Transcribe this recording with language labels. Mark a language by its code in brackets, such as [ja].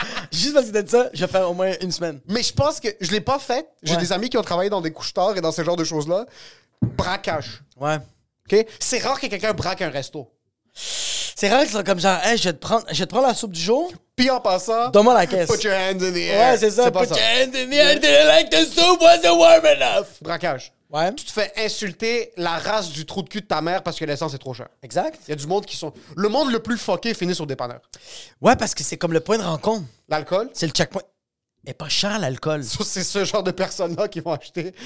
[fr] Juste parce que t'as dit ça, je vais faire au moins une semaine. Mais je pense que je l'ai pas fait. J'ai des amis qui ont travaillé dans des couche-tards et dans ce genre de choses-là. Braquage. Ouais. OK? C'est rare que quelqu'un braque un resto. C'est rare que ça soit comme genre, hey, je vais te prendre la soupe du jour. Puis en passant... Donne-moi la caisse. [en] Put your hands in the air. [fr] Ouais, c'est ça. C'est [en] put your hands in the air. Did you like the soup? Was it warm enough? [fr] Braquage. Ouais. Tu te fais insulter la race du trou de cul de ta mère parce que l'essence est trop chère. Exact. Il y a du monde qui sont... Le monde le plus fucké finit sur dépanneur. Ouais, parce que c'est comme le point de rencontre. L'alcool? C'est le checkpoint. Et pas cher, l'alcool. C'est ce genre de personnes-là qui vont acheter.